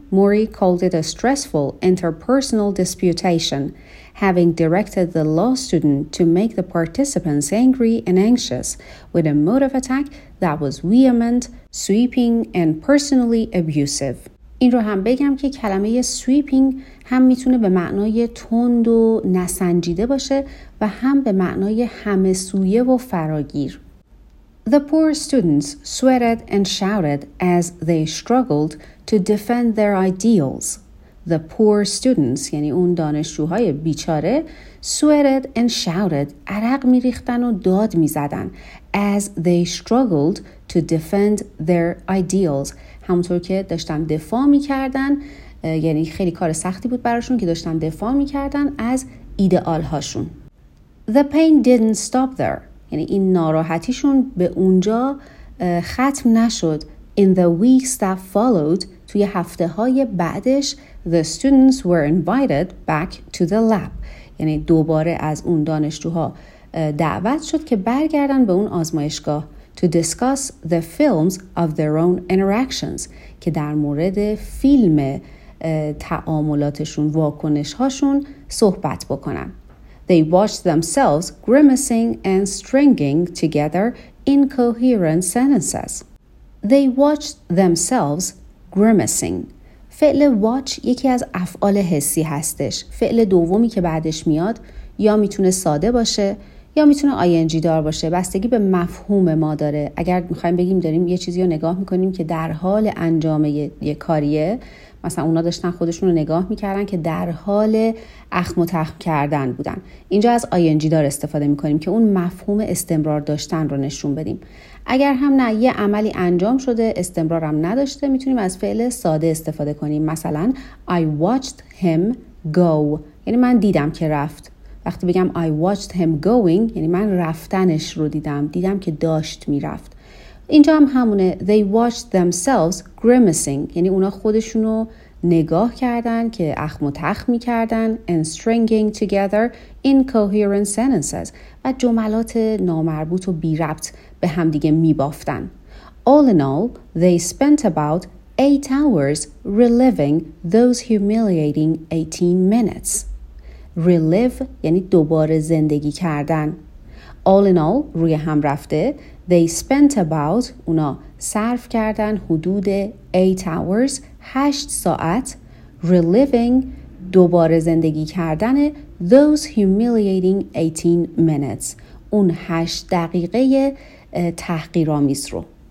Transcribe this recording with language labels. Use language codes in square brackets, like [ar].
[en] Murray called it a stressful interpersonal disputation, having directed the law student to make the participants angry and anxious with a mode of attack that was vehement, sweeping and personally abusive. [fa] این رو هم بگم که کلمه sweeping هم میتونه به معنای تند و نسنجیده باشه و هم به معنای همه سویه و فراگیر. [en] The poor students sweated and shouted as they struggled to defend their ideals. The poor students, [fa] یعنی اون دانشجوهای بیچاره, [en] sweated and shouted, [fa] عرق می‌ریختن و داد می‌زدن, [en] as they struggled to defend their ideals. [fa] همونطور که داشتن دفاع می‌کردن, یعنی خیلی کار سختی بود براشون که داشتن دفاع می‌کردن از ایدئال‌هاشون. [en] The pain didn't stop there. [fa] یعنی این ناراحتیشون به اونجا ختم نشد. [en] In the weeks that followed, [fa] توی هفته های بعدش, [en] the students were invited back to the lab. [fa] یعنی دوباره از اون دانشجوها دعوت شد که برگردن به اون آزمایشگاه [en] to discuss the films of their own interactions, [fa] که در مورد فیلم تعاملاتشون, واکنش هاشون صحبت بکنن. [en] They watched themselves grimacing and stringing together incoherent sentences. They watched themselves grimacing. [fa] فعل watch یکی از افعال حسی هستش. فعل دومی که بعدش میاد یا میتونه ساده باشه یا میتونه ing دار باشه. بستگی به مفهوم ما داره. اگر میخوایم بگیم داریم یه چیزی رو نگاه میکنیم که در حال انجام یه کاریه, مثلا اونا داشتن خودشون رو نگاه میکردن که در حال اخم و تخم کردن بودن. اینجا از ing دار استفاده میکنیم که اون مفهوم استمرار داشتن رو نشون بدیم. اگر هم نه, یه عملی انجام شده استمرار هم نداشته, میتونیم از فعل ساده استفاده کنیم. مثلا [en] I watched him go, [fa] یعنی من دیدم که رفت. وقتی بگم [en] I watched him going, [fa] یعنی من رفتنش رو دیدم, دیدم که داشت میرفت. اینجا هم همونه. [en] They watched themselves grimacing, [fa] یعنی اونا خودشونو نگاه کردن که اخم و تخم می کردن. [en] And stringing together incoherent sentences, [fa] و جملات نامربوط و بی ربط به هم دیگه می بافتن. [en] All in all, they spent about 8 hours reliving those humiliating 18 minutes. [fa] Relive یعنی دوباره زندگی کردن. [en] All in all, [fa] روی هم رفته, [en] they spent about, [fa] اونا صرف کردن حدود [en] 8 hours, [fa] 8 ساعت, [en] reliving, [fa] دوباره زندگی کردن, [en] those humiliating 18 minutes, [fa] اون 8 دقیقه تحقیرآمیز رو.